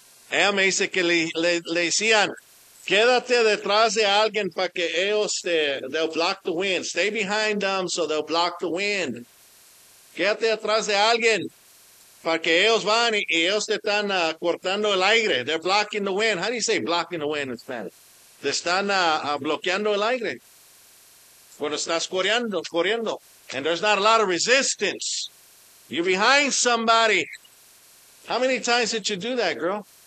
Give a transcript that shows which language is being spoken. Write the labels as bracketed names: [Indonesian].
[Spanish] Ella me dice que le decían, quédate detrás de alguien para que ellos [English] they'll block the wind. Stay behind them so they'll block the wind. [Spanish] Quédate detrás de alguien para que ellos van y ellos te están cortando el aire. [English] They're blocking the wind. How do you say blocking the wind in Spanish? [Spanish] Te están bloqueando el aire. Cuando estás corriendo. [English] And there's not a lot of resistance. You're behind somebody. How many times did you do that, girl?